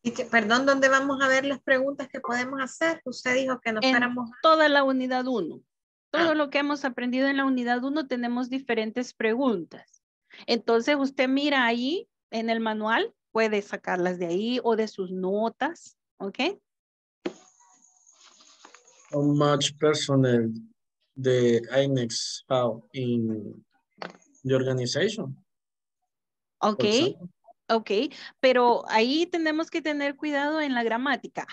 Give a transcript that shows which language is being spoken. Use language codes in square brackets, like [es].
[es] Perdón, ¿dónde vamos a ver las preguntas que podemos hacer? Usted dijo que nos paramos en toda la unidad 1. Todo lo que hemos aprendido en la unidad 1 tenemos diferentes preguntas. Entonces usted mira ahí en el manual, puede sacarlas de ahí o de sus notas, ¿ok? [en] How much personnel the INEX have in the organization? Okay. [es] Okay, pero ahí tenemos que tener cuidado en la gramática.